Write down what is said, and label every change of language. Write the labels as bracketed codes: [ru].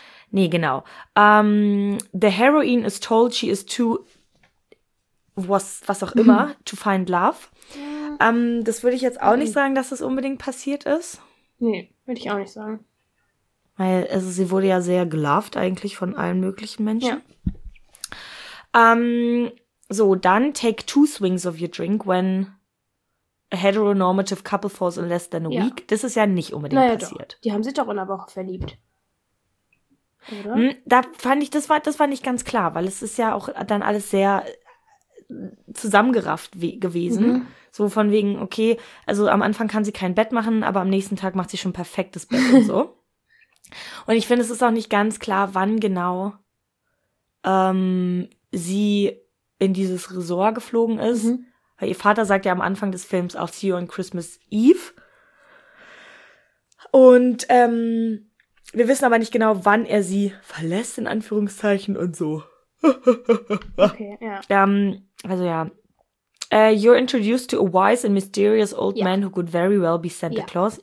[de] Nee, genau. [en] The heroine is told she is too, [de] was auch immer, [en] to find love. [de] Ja. Das würde ich jetzt auch nicht sagen, dass das unbedingt passiert ist. Nee, würde ich auch nicht sagen. Weil, also sie wurde ja sehr geloved eigentlich von allen möglichen Menschen. Ja. [en] So, dann take two swings of your drink when a heteronormative couple falls in less than a week. [de] Das ist ja nicht unbedingt passiert. Doch. Die haben sich doch in der Woche verliebt. Oder? Da fand ich, das war nicht ganz klar, weil es ist ja auch dann alles sehr zusammengerafft gewesen. Mhm. So von wegen, okay, also am Anfang kann sie kein Bett machen, aber am nächsten Tag macht sie schon perfektes Bett und so. Und ich finde, es ist auch nicht ganz klar, wann genau sie in dieses Resort geflogen ist. Mhm. Weil ihr Vater sagt ja am Anfang des Films auch, [en] see you on Christmas Eve. [de] Und wir wissen aber nicht genau, wann er sie verlässt, in Anführungszeichen, und so. Okay, ja. Also ja. [en] You're introduced to a wise and mysterious old man who could very well be Santa Claus.